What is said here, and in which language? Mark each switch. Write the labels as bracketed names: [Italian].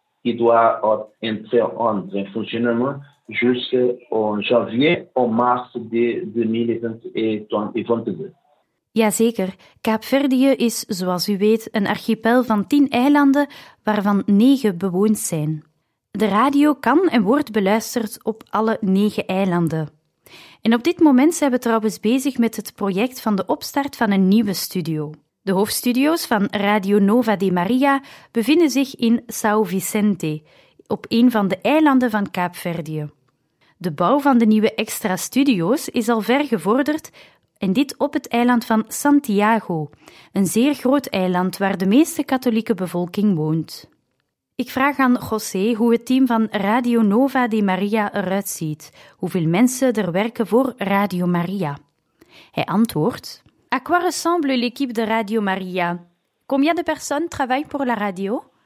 [French] Qui doit entrer en fonctionnement jusqu'en janvier ou mars de 2022. [Dutch] Jazeker. Kaapverdië is, zoals u weet, een archipel van 10 eilanden, waarvan 9 bewoond zijn. De radio kan en wordt beluisterd op alle 9 eilanden. En op dit moment zijn we trouwens bezig met het project van de opstart van een nieuwe studio. De hoofdstudio's van Radio Nova de Maria bevinden zich in São Vicente, op een van de eilanden van Kaapverdië. De bouw van de nieuwe extra studio's is al ver gevorderd en dit op het eiland van Santiago, een zeer groot eiland waar de meeste katholieke bevolking woont. Ik vraag aan José hoe het team van Radio Nova de Maria eruit ziet, hoeveel mensen er werken voor Radio Maria. Hij antwoordt... [French] À quoi ressemble l'équipe de Radio Maria? Combien de personnes travaillent pour la radio?